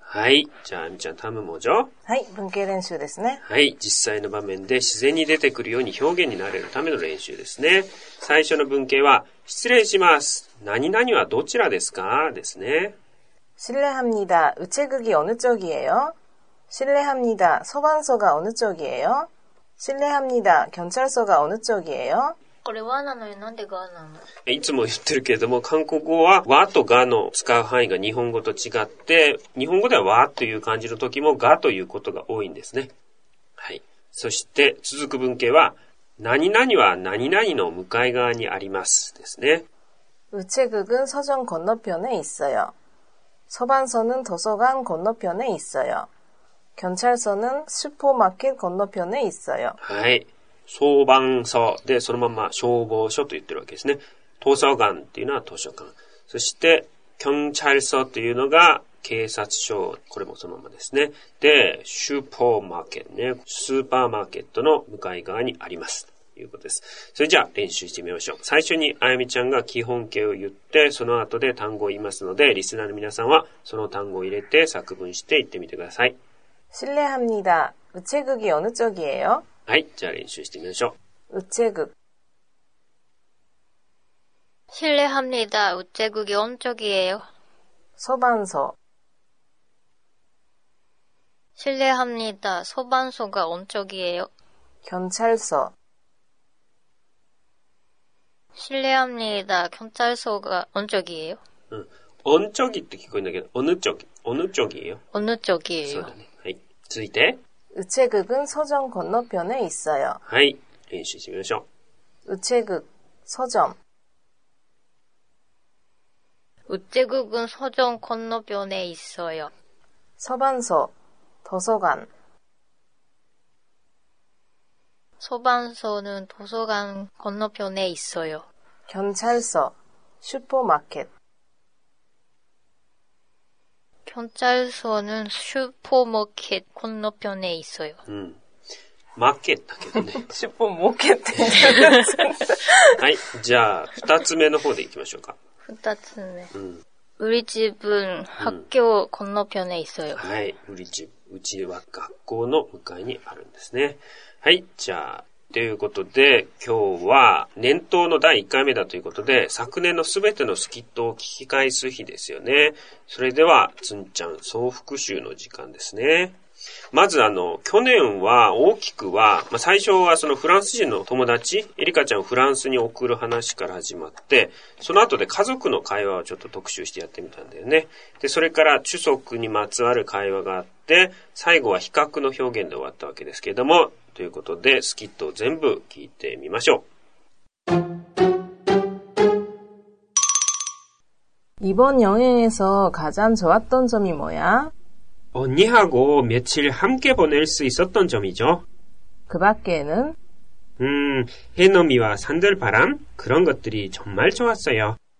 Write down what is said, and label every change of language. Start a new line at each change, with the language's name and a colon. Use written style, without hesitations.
Japanese: はい、じゃああゆみちゃん、タムもじゃ。はい、文型練習ですね。はい、実際の場面で自然に出てくるように表現になれるための練習ですね。最初の文型は、失礼します。何々はどちらですか？ですね。
Korean: 실례합니다。 우체국이어느쪽이에요？ 실례합니다。 소방서가어느쪽이에요？ 실례합니다。 경찰서가어느쪽이에요？
Japanese: これはなのよ。なんでがなの？いつも言ってるけれども、韓国語は和とがの使う範囲が日本語と違って、日本語では和という感じの時もがということが多いんですね。はい。そして続く文型は、何々は何々の向かい側にありますですね。
Korean: 우체국은서점건너편에있어요。소방서는도서관건너편에있어요。 경찰서는슈퍼마켓건너편에있어요。
Japanese: はい。 소방서でそのまま消防署と言ってるわけですね。図書館っていうのは図書館。そして、경찰서っていうのが警察署。これもそのままですね。で、スーパーマーケットね。スーパーマーケットの向かい側にあります。ということです。それじゃあ練習してみましょう。最初にあやみちゃんが基本形を言って、その後で単語を言いますので、リスナーの皆さんはその単語を入れて作文して言ってみてください。
Korean: 失礼합니다。 우체국이어느쪽이에요？
Japanese: はい、じゃあ練習してみましょう。
Korean: 우체국。 실례합니다。 우체국이어느쪽이에요？ 소방서。 실례합니다。 소방서가어느쪽이에요？ 경찰서。 실례합니다。 경찰서가어느쪽이에요？ 어느쪽이って聞こえるんだけど、
Japanese: 어느쪽이、어느쪽이에요？
Korean: 어느쪽이에요？
Japanese: はい、続いて。
Korean: 우체국은서점건너편에있어요。
Japanese: はい、練習してみましょう。
Korean: 우체국、서점。 우체국은서점건너편에있어요。 서방서、도서관。 소방서는도서관건너편에있어요。 경찰서、슈퍼마켓。 경찰서는슈퍼마켓건너편에있어요。
Japanese: マーケットだけどね。
Korean: 슈퍼마켓って。
Japanese: はい、じゃあ、二つ目の方で行きましょうか。
Korean: 二つ目。우리집은학교건너편에있어요。
Japanese: はい、우리집、うちは学校の向かいにあるんですね。はい、じゃあ、ということで、今日は年頭の第1回目だということで、昨年のすべてのスキットを聞き返す日ですよね。それでは、つんちゃん、総復習の時間ですね。まず去年は大きくは、まあ、最初はそのフランス人の友達、エリカちゃんをフランスに送る話から始まって、その後で家族の会話をちょっと特集してやってみたんだよね。で、それから主族にまつわる会話があって、最後は比較の表現で終わったわけですけれども、ということで、スキットを全部聞いてみましょう。
Korean: 이번여행에서가장좋았던점이뭐야？ 언니하고며칠함께보낼수있었던점이죠。 그밖에는？ 해넘이와산들바람그런것들이정말좋았어요。